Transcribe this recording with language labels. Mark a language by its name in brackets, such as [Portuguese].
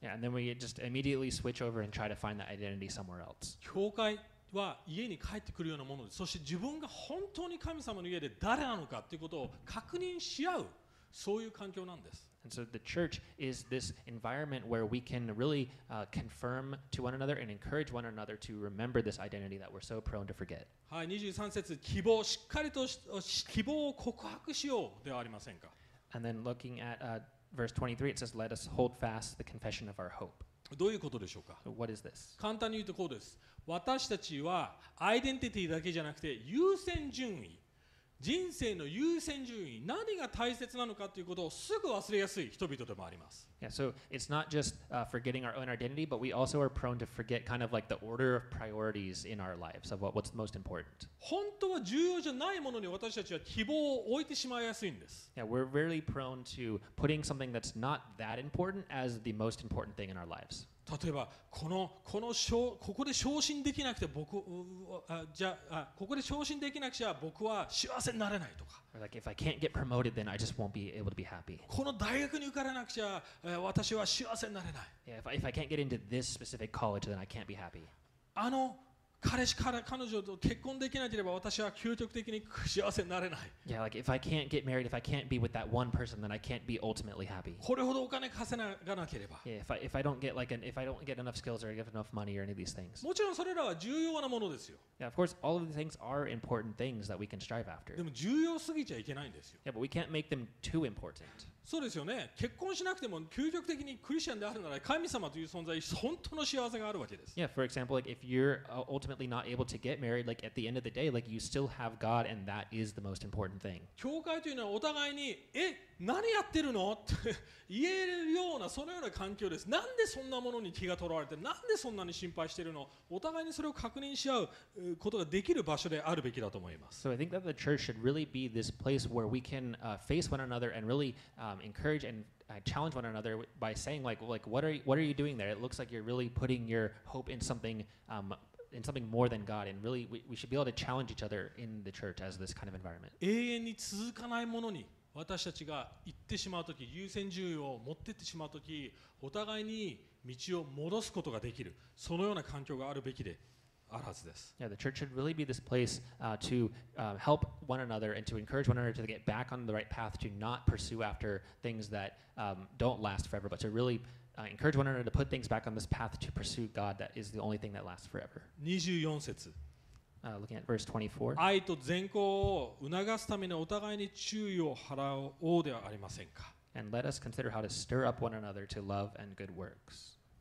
[English] Yeah, and then we just immediately switch over and try to find that identity somewhere else. [Japanese] 教会は家に帰ってくるようなものです。そして自分が本当に神様の家で誰なのかということを確認し合う、そういう環境なんです。 [English] And so the church is this environment where we can really confirm to one another and encourage one another to remember this identity that we're so prone to forget. [Japanese] はい、23節、希望、しっかりと希望を告白しようではありませんか。 [English] And then looking at verse 23, it says, let us hold fast the confession of our hope. [Japanese] どういうことでしょうか。 [English] So what is this? [Japanese] 簡単に言うとこうです。私たちはアイデンティティだけじゃなくて優先順位。人生の優先順位、何が大切なのかということをすぐ忘れやすい人々でもあります。 [English] Yeah, so it's not just forgetting our own identity, but we also are prone to forget kind of like the order of priorities in our lives of what's most important. [Japanese] 本当は重要じゃないものに私たちは希望を置いてしまいやすいんです。 [English] Yeah, we're really prone to putting something that's not that important as the most important thing in our lives. [Japanese] 例えば、ここで昇進できなくて僕、ここで昇進できなくちゃ僕は幸せになれないとか。 [English] Like if I can't get promoted, then I just won't be able to be happy. [Japanese] この大学に受からなくちゃ私は幸せになれない。 [English] Yeah, if I can't get into this specific college, then I can't be happy. [Japanese] あの彼氏から彼女と結婚できなければ私は究極的に幸せになれない。 [English] Yeah, like if I can't get married, if I can't be with that one person, then I can't be ultimately happy. [Japanese] これほどお金稼がなければ。 [English] Yeah, if I don't get like an if I don't get enough skills or get enough money or any of these things. [Japanese] もちろんそれらは重要なものですよ。 [English] Yeah, of course, all of these things are important things that we can strive after. [Japanese] でも重要すぎちゃいけないんですよ。 [English] Yeah, but we can't make them too important. [Japanese] そうですよね。結婚しなくても究極的にクリスチャンであるなら神様という存在に本当の幸せがあるわけです。 [English] Yeah, for example, like if you're ultimately not able to get married, like at the end of the day, like you still have God and that is the most important thing. [Japanese] 教会というのはお互いに、え、何やってるの? って言えるようなそのような環境です。なんでそんなものに気が取られて、なんでそんなに心配してるの? お互いにそれを確認し合うことができる場所であるべきだと思います。 [English] So I think that the church should really be this place where we can face one another and really encourage and challenge one another by saying like what are you doing there? It looks like you're really putting your hope in something more than God. And really, we should be able to challenge each other in the church as this kind of environment. [Japanese] 永遠に続かないものに私たちが行ってしまうとき、優先順位を持ってってしまうとき、お互いに道を戻すことができる、そのような環境があるべきで。 [English] Yeah, the church should really be this place to help one another and to encourage one another to get back on the right path, to not pursue after things that don't last forever, but to really encourage one another to put things back on this path to pursue God that is the only thing that lasts forever. [Japanese] 24節。 [English] Looking at verse 24. [Japanese] 愛と善行を促すためにお互いに注意を払おうではありませんか。 [English] And let us consider how to stir up one another to love and good works.